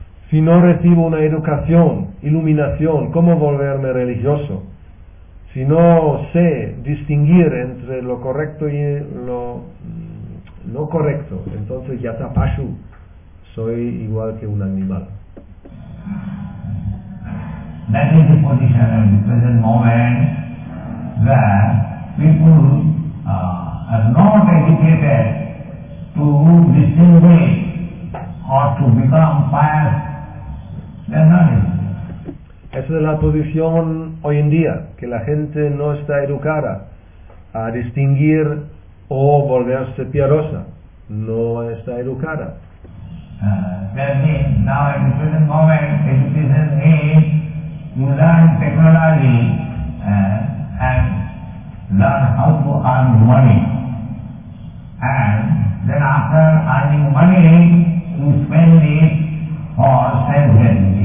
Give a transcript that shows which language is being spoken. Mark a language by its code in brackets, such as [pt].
[es] Si no recibo una educación, iluminación, ¿cómo volverme religioso? Si no sé distinguir entre lo correcto y lo no correcto, entonces ya está pashu, soy igual que un animal. [en] That is the position in the present moment where people are not educated to distinguish or to become pious. [es] Esa es la posición hoy en día, que la gente no está educada a distinguir o volverse piadosa. No está educada. [en] Now in the present moment, education is to learn technology and learn how to earn money. And then after earning money, you spend it for self-help.